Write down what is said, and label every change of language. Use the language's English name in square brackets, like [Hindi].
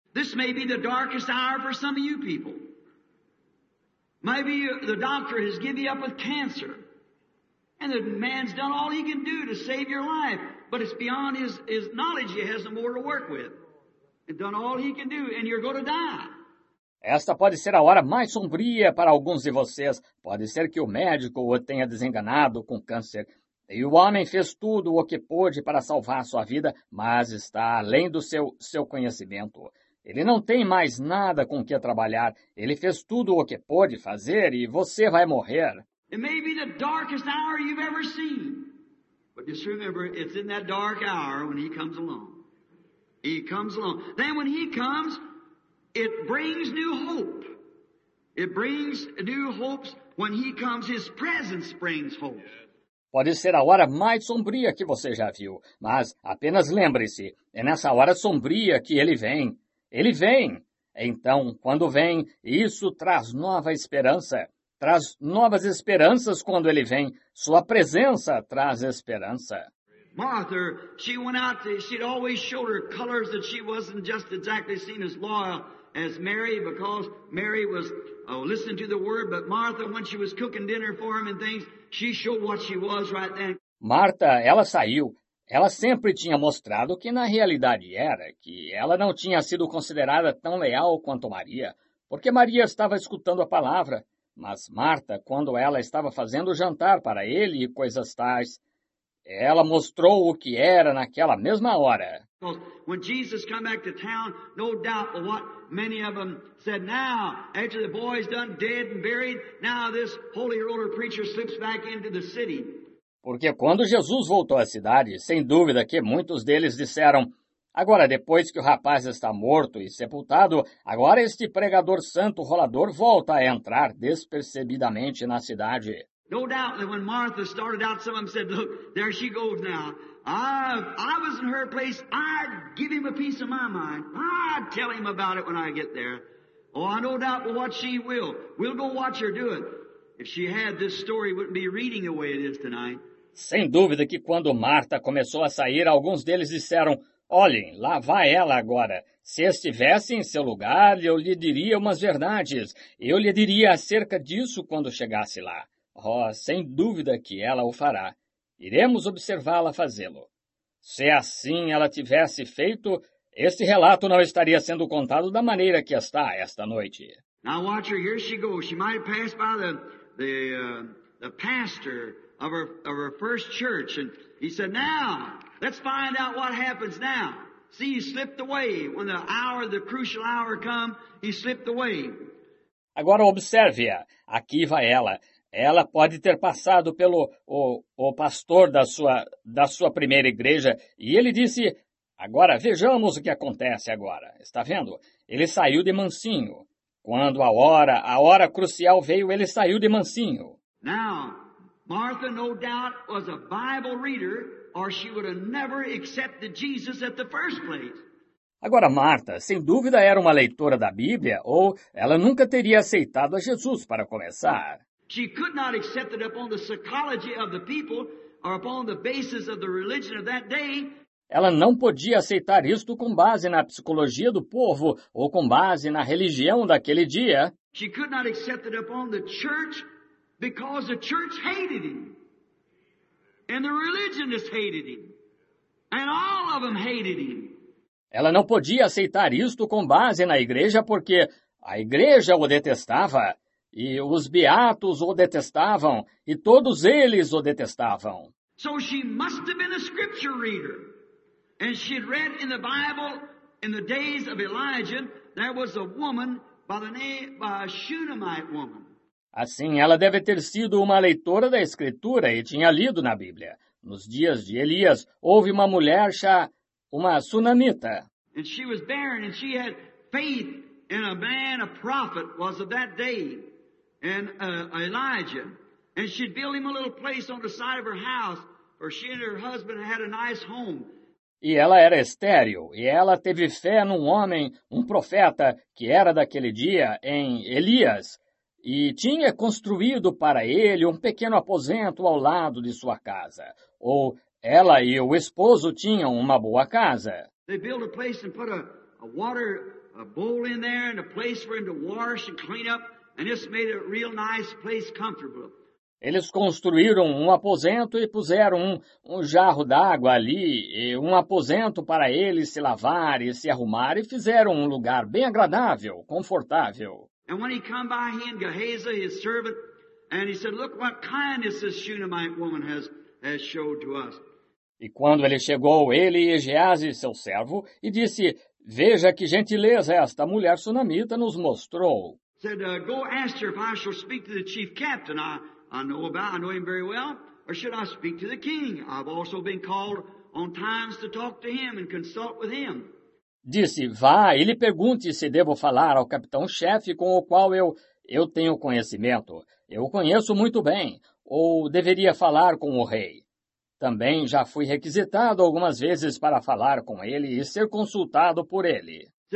[English] This may be the darkest hour for some of you people. Maybe the doctor has given you up with cancer. And the man's done all he can do to save your life. But it's beyond his knowledge. He has no more to work with. And done all he can do, and you're going to die. [Portuguese] Esta pode ser a hora mais sombria para alguns de vocês. Pode ser que o médico o tenha desenganado com câncer. E o homem fez tudo o que pôde para salvar sua vida, mas está além do seu conhecimento. Ele não tem mais nada com que trabalhar. Ele fez tudo o que pôde fazer e você vai morrer. [English] It may be the darkest hour you've ever seen. But just remember, it's in that dark hour when he comes along. He comes along. Then when he comes, it brings new hope. It brings new hopes when he comes. His presence brings hope. [Portuguese] Pode ser a hora mais sombria que você já viu, mas apenas lembre-se, é nessa hora sombria que ele vem. Ele vem. Então, quando vem, isso traz nova esperança. Traz novas esperanças quando ele vem. Sua presença traz esperança. [English] Martha, she went out, she'd always showed her colors that she wasn't just exactly seen as loyal as Mary, because Mary was listening to the word, but Martha, when she was cooking dinner for him and things, she showed what she was right then. [Portuguese] Martha, ela saiu. Ela sempre tinha mostrado que na realidade era, que ela não tinha sido considerada tão leal quanto Maria, porque Maria estava escutando a palavra. Mas Martha, quando ela estava fazendo o jantar para ele e coisas tais, Ela mostrou o que era naquela mesma hora. [English] When Jesus came back to town, no doubt what many of them said, now, after the boy's done dead and buried, now this holy roller preacher slips back into the city. [Portuguese] Porque quando Jesus voltou à cidade, sem dúvida que muitos deles disseram, agora, depois que o rapaz está morto e sepultado, agora este pregador santo rolador volta a entrar despercebidamente na cidade. [English] No doubt that when Martha started out, some of them said, look, there she goes now. I was in her place, I'd give him a piece of my mind. I'd tell him about it when I get there. Oh, I no doubt what she will. We'll go watch her do it. If she had, this story wouldn't be reading the way it is tonight. [Portuguese] Sem dúvida que quando Martha começou a sair, alguns deles disseram, olhem, lá vai ela agora. Se estivesse em seu lugar, eu lhe diria umas verdades. Eu lhe diria acerca disso quando chegasse lá. Oh, sem dúvida que ela o fará. Iremos observá-la fazê-lo. Se assim ela tivesse feito, este relato não estaria sendo contado da maneira que está esta noite. [English] Now watch her, here she goes. She might pass by the pastor of her first church, and he said, now, let's find out what happens now. See, he slipped away. When the hour, the crucial hour come, he slipped away. [Portuguese] Agora observe-a. Aqui vai ela. Ela pode ter passado pelo o pastor da sua primeira igreja, e ele disse, agora vejamos o que acontece agora. Está vendo? Ele saiu de mansinho. Quando a hora crucial veio, ele saiu de mansinho. [English] Now, Martha, no doubt, was a Bible reader, or she would have never accepted Jesus at the first place. [Portuguese] Agora, Martha, sem dúvida, era uma leitora da Bíblia, ou ela nunca teria aceitado a Jesus para começar. [English] She could not accept it upon the psychology of the people or upon the basis of the religion of that day. [Portuguese] Ela não podia aceitar isto com base na psicologia do povo ou com base na religião daquele dia. [English] She could not accept it upon the church because the church hated him. And the religionists hated him. And all of them hated him. [Portuguese] Ela não podia aceitar isto com base na igreja porque a igreja o detestava. E os beatos o detestavam, e todos eles o detestavam. [English] So she must have been a scripture reader. And she had read in the Bible, in the days of Elijah, there was a woman by the name of a Shunammite woman. [Portuguese] Assim, ela deve ter sido uma leitora da Escritura e tinha lido na Bíblia. Nos dias de Elias, houve uma mulher uma sunamita. [English] And she was barren, and she had faith in a man, a prophet, was of that day. And Elijah, and she'd build him a little place on the side of her house, for she and her husband had a nice home. [Portuguese] E ela era estéril, e ela teve fé num homem, um profeta, que era daquele dia, em Elias, e tinha construído para ele um pequeno aposento ao lado de sua casa. Ou ela e o esposo tinham uma boa casa. [English] They built a place and put a bowl in there, and a place for him to wash and clean up. And this made a real nice place comfortable. [Portuguese] Eles construíram um aposento e puseram um jarro d'água ali, e um aposento para ele se lavar e se arrumar, e fizeram um lugar bem agradável, confortável. [English] And when he came by, he and Gehazi, his servant, and he said, look what kindness this Shunammite woman has showed to us. [Portuguese] E quando ele chegou, ele e Gehazi, seu servo, e disse, veja que gentileza esta mulher sunamita nos mostrou. [English] Said, go ask her if I shall speak to the chief captain. I know him very well. Or should I speak to the king? I've also been called on times to talk to him and consult with him. [Portuguese] Disse, vá e lhe pergunte se devo falar ao capitão-chefe com o qual eu tenho conhecimento. Eu o conheço muito bem. Ou deveria falar com o rei? Também já fui requisitado algumas vezes para falar com ele e ser consultado por ele.